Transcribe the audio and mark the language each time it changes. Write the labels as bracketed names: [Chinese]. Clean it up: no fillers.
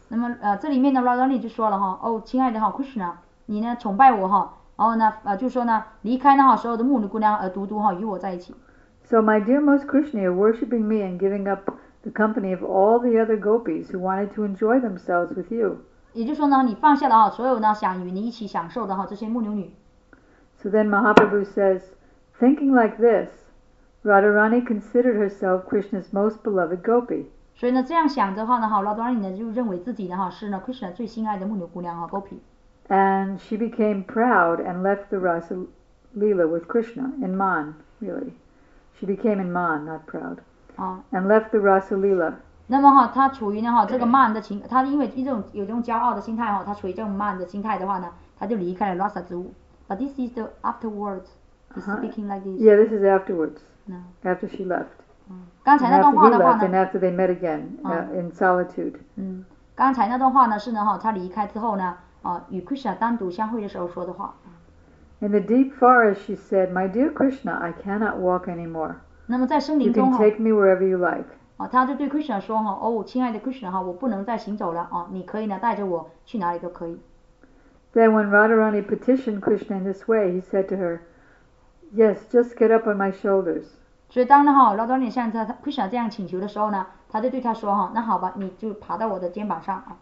[Chinese] 那么这里面的 Radharani 就说了哈，哦，亲爱的哈 ，Krishna， 你呢崇拜我哈，然后呢就说呢离开呢哈所有的牧女姑娘而独独哈与我在一起。 [English] So my dear most Krishna, you are worshipping me and giving up. The company of all the other gopis who wanted to enjoy themselves with you. [Chinese] 也就是说呢，你放下了啊，所有呢想与你一起享受的哈这些牧牛女。 [English] So then Mahaprabhu says, thinking like this, Radharani considered herself Krishna's most beloved gopi. [Chinese] 所以呢，这样想的话呢，哈 ，Radharani 呢就认为自己呢哈是呢 Krishna 最心爱的牧牛姑娘啊 ，gopi。 [English] And she became proud and left the Rasa Lila with Krishna in Man. Really, she became in Man, not proud. And left the Rasa Lila. [Chinese] 那么哈，他处于呢哈这个慢的情，他因为一种有这种骄傲的心态哈，他处于这种慢的心态的话呢，他就离开了 Rasa 之屋。 [English] But this is the afterwards. He's speaking like this. Yeah, this is afterwards. After she left. [Chinese] 刚才那段话的话呢 [English] ？And after they met again in solitude. [Chinese] 刚才那段话呢是呢哈，他离开之后呢，与 Krishna 单独相会的时候说的话。 [English] In the deep forest, she said, "My dear Krishna, I cannot walk anymore." [Chinese] 那么在森林中 [English] ，You can take me wherever you like. [Chinese] 啊，他就对 Krishna 说哈，哦，亲爱的 Krishna 哈，我不能再行走了啊，你可以呢带着我去哪里都可以。 [English] Then when Radharani petitioned Krishna in this way, he said to her, "Yes, just get up on my shoulders." [Chinese] 所以当呢哈，劳多尼向他 Krishna 这样请求的时候呢，他就对他说哈，那好吧，你就爬到我的肩膀上啊。